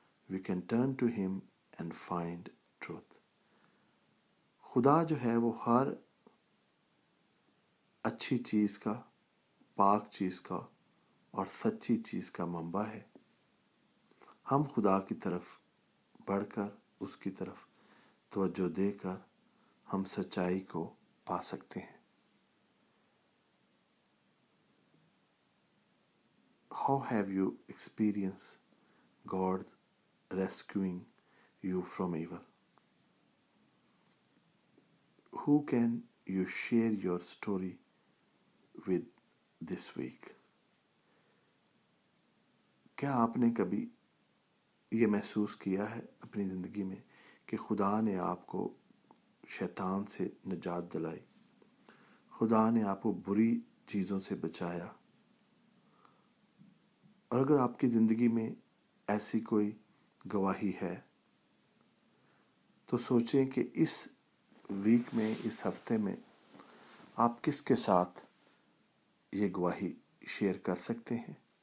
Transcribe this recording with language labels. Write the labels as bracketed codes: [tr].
[en] We can turn to him and find truth. [ur] خدا جو ہے وہ ہر اچھی چیز کا, پاک چیز کا اور سچی چیز کا منبع ہے. ہم خدا کی طرف بڑھ کر, اس کی طرف توجہ دے کر ہم سچائی کو پا سکتے ہیں. [en] How have you experienced God rescuing you from evil? Who can you share your story with this week? [ur] کیا آپ نے کبھی یہ محسوس کیا ہے اپنی زندگی میں کہ خدا نے آپ کو شیطان سے نجات دلائی, خدا نے آپ کو بری چیزوں سے بچایا؟ اور اگر آپ کی زندگی میں ایسی کوئی گواہی ہے تو سوچیں کہ اس ویک میں, اس ہفتے میں آپ کس کے ساتھ یہ گواہی شیئر کر سکتے ہیں.